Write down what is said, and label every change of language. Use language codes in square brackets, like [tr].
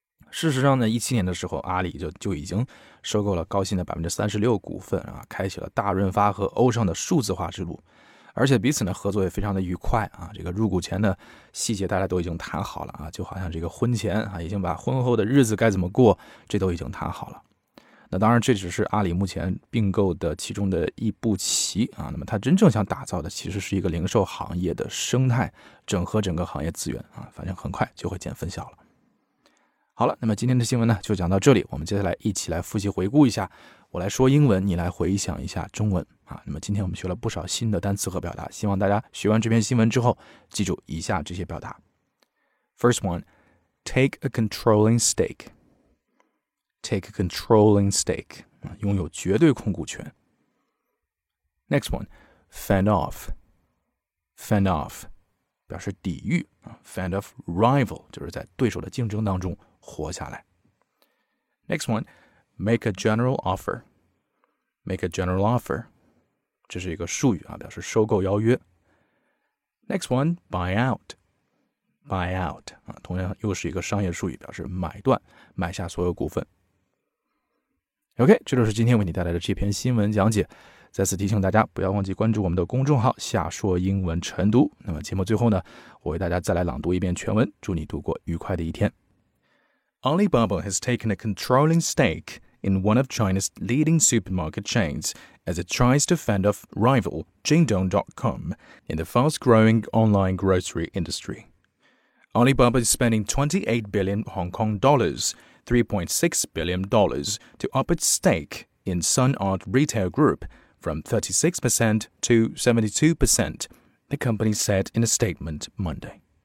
[zh] 事实上呢17年的时候阿里 就已经收购了高新的 36% 股份、开启了大润发和欧尚的数字化之路，而且彼此呢合作也非常的愉快、这个入股前的细节大家都已经谈好了、就好像这个婚前、已经把婚后的日子该怎么过这都已经谈好了。那当然这只是阿里目前并购的其中的一步棋、那么他真正想打造的其实是一个零售行业的生态，整合整个行业资源、反正很快就会见分晓了。好了，那么今天的新闻呢就讲到这里，我们接下来一起来复习回顾一下，我来说英文你来回想一下中文、那么今天我们学了不少新的单词和表达，希望大家学完这篇新闻之后记住以下这些表达。 [en] First one, take a controlling stake. Take a controlling stake, [zh] 拥有绝对控股权。 [en] Next one, fend off. Fend off, [zh] 表示抵御、 [en] fend off rival, [zh] 就是在对手的竞争当中活下来。 [en] Next one, make a general offer. Make a general offer. [zh] 这是一个术语、表示收购邀约。 [en] Next one, buy out. Buy out.、 [zh] 同样又是一个商业术语，表示买断，买下所有股份。 OK, 这就是今天为你带来的这篇新闻讲解。再次提醒大家，不要忘记关注我们的公众号下说英文晨读。那么节目最后呢，我为大家再来朗读一遍全文，祝你度过愉快的一天。 [en] Alibaba has taken a controlling stake in one of China's leading supermarket chains as it tries to fend off rival Jingdong.com in the fast-growing online grocery industry. Alibaba is spending $28 billion Hong Kong dollars, $3.6 billion, to up its stake in Sun Art Retail Group from 36% to 72%, the company said in a statement Monday.